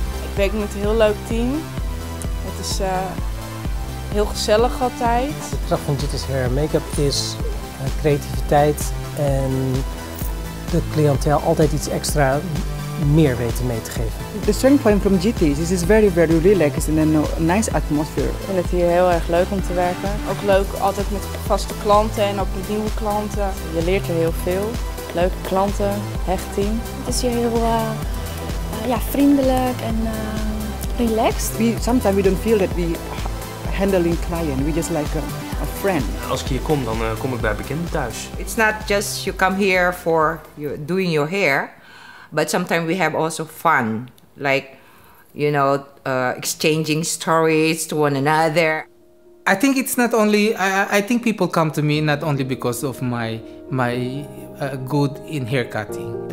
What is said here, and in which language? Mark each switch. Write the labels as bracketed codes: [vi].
[nl] Ik werk met een heel leuk team. Het is heel gezellig altijd. De kracht van Yitty's hair make-up is creativiteit en de cliëntel altijd iets extra meer weten mee te geven. [en] The strength point from Yitty's is very, very relaxed and a nice atmosphere. [nl] Ik vind het hier heel erg leuk om te werken. Ook leuk altijd met vaste klanten en ook met nieuwe klanten. Je leert er heel veel. Leuke klanten, hecht team. Het is hier heel vriendelijk en relaxed. [en] Sometimes we don't feel that we handling client. We just like [nl] Als ik hier kom, dan kom ik bij bekenden thuis. [en] It's not just you come here for doing your hair, but sometimes we have also fun, like, you know, exchanging stories to one another. I think it's not only, I think people come to me not only because of my good in haircutting.